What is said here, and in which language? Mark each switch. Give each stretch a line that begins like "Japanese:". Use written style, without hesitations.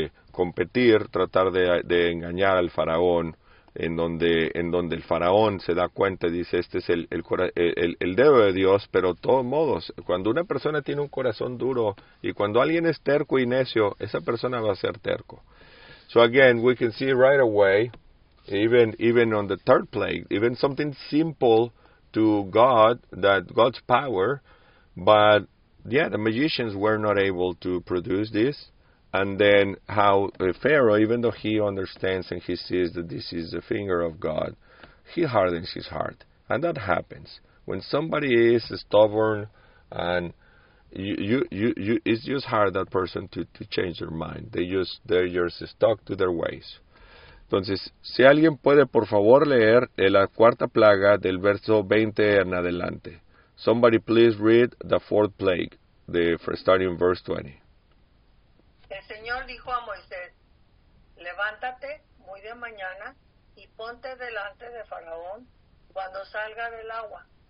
Spanish: competir, tratar de engañar al faraón, en donde el faraón se da cuenta y dice, este es el dedo de Dios, pero de todos modos, cuando una persona tiene un corazón duro y cuando alguien es terco y necio, esa persona va a ser terco.
English: So again, we can see right away, even on the third plague, even something simple to God, that God's power, but yeah, the magicians were not able to produce this. And then how Pharaoh, even though he understands and he sees that this is the finger of God, he hardens his heart. And that happens. When somebody is stubborn and you it's just hard that person to change their mind. They're just stuck to their ways.
Spanish: Entonces, si alguien puede por favor leer la cuarta plaga del verso 20 en adelante.
English: Somebody please read the fourth plague, the starting verse 20.
Spanish: El Señor dijo a Moisés: Levántate muy de mañana y ponte delante de Faraón cuando salga del agua.